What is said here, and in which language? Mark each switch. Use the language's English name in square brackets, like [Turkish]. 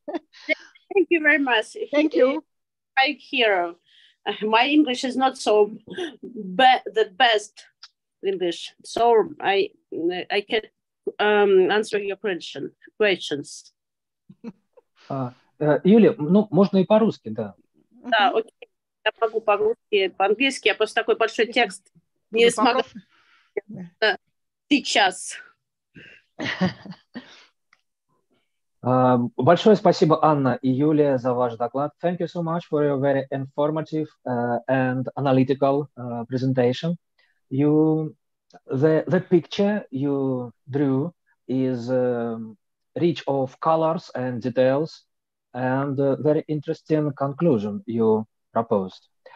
[English] Thank you very much. Thank you. My hero. My English is not so the best English, so I can answer your questions. [Russian] Yulia, ну, можно и по-русски, да. Да, окей, я могу по-русски, по-английски, я просто такой большой текст не смогу сейчас. Большое спасибо, Анна и Юлия, за ваш доклад. [English] Thank you so much for your very informative and analytical presentation. The picture you drew is rich of colors and details, and a very interesting conclusion you proposed.